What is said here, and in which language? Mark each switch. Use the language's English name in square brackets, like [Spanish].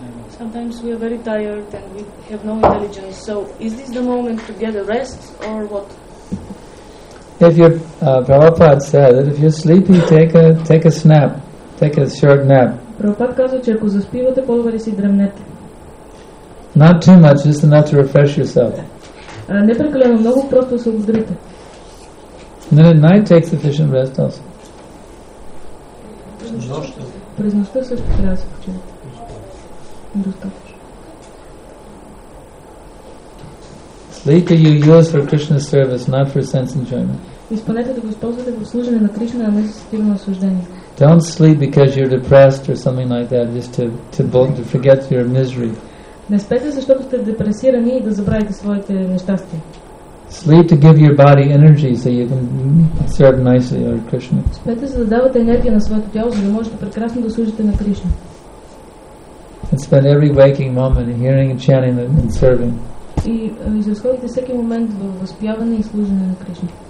[English] Sometimes we are very tired and we have no intelligence. So, is this the moment to get a rest or what? If your Prabhupada said that if you're sleepy, take a nap, take a short nap. [Bulgarian] Prabhupada казва, че ако заспивате, по-добре си дремнете. [English] Not too much, just enough to refresh yourself. [Bulgarian] Не прекалено много, просто се обдрите. [English] Then at night, take sufficient rest also. [Bulgarian] През нощта също трябва да се почивате. Достатъчно. [English] Vehicle you use for Krishna service, not for sense enjoyment. [Bulgarian] Изпълнете да го използвате в служене на Кришна, а не за стимул на наслаждение. [English] Don't sleep because you're depressed or something like that, just to forget your misery. [Bulgarian] Не спете, защото сте депресирани и да забравите своите нещастия. [English] Sleep to give your body energy so you can serve nicely Lord Krishna. [Bulgarian] Спете, за да давате енергия на своето тяло, за да можете прекрасно да служите на Кришна. [English] And spend every waking moment in hearing and chanting and serving. [Bulgarian] И изразходите всеки момент в възпяване и служене на Кришна.